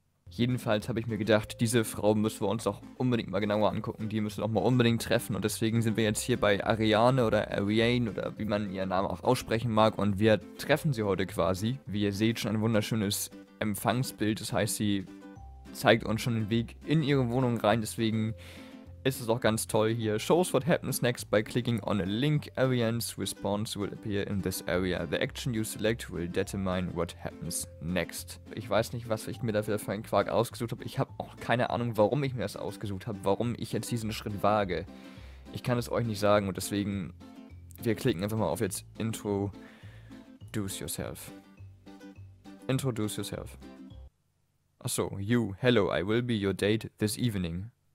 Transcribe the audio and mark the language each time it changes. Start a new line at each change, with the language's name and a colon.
German: Jedenfalls habe ich mir gedacht, diese Frau müssen wir uns auch unbedingt mal genauer angucken. Die müssen wir auch mal unbedingt treffen. Und deswegen sind wir jetzt hier bei Ariane oder Ariane oder wie man ihren Namen auch aussprechen mag. Und wir treffen sie heute quasi. Wie ihr seht, schon ein wunderschönes Empfangsbild. Das heißt, sie zeigt uns schon den Weg in ihre Wohnung rein. Deswegen ist es auch ganz toll hier.
English: Shows what happens next by clicking on a link. Ariane's response will appear in this area. The action you select will determine what happens next.
German: Ich weiß nicht, was ich mir dafür für einen Quark ausgesucht habe. Ich habe auch keine Ahnung, warum ich mir das ausgesucht habe, warum ich jetzt diesen Schritt wage. Ich kann es euch nicht sagen und deswegen, wir klicken einfach mal auf jetzt
English: Introduce yourself. Introduce yourself.
German: Achso,
English: you. Hello, I will be your date this evening.